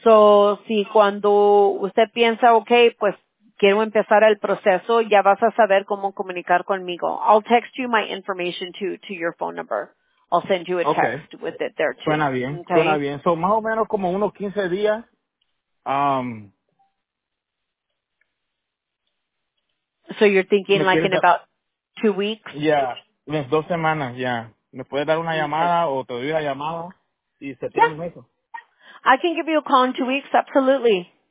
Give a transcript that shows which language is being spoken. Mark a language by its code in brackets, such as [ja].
[es] So, si cuando usted piensa, okay, pues quiero empezar el proceso, ya vas a saber cómo comunicar conmigo. [en] I'll text you my information to your phone number. I'll send you a text with it there too. [es] Suena bien. Okay? Suena bien. So, más o menos como unos 15 días. [en] So you're thinking like in about 2 weeks? Yeah. [es] Unas 2 semanas, Me puedes dar una llamada o te doy la llamada y se tiene eso. [en] I can give you a call in 2 weeks, absolutely.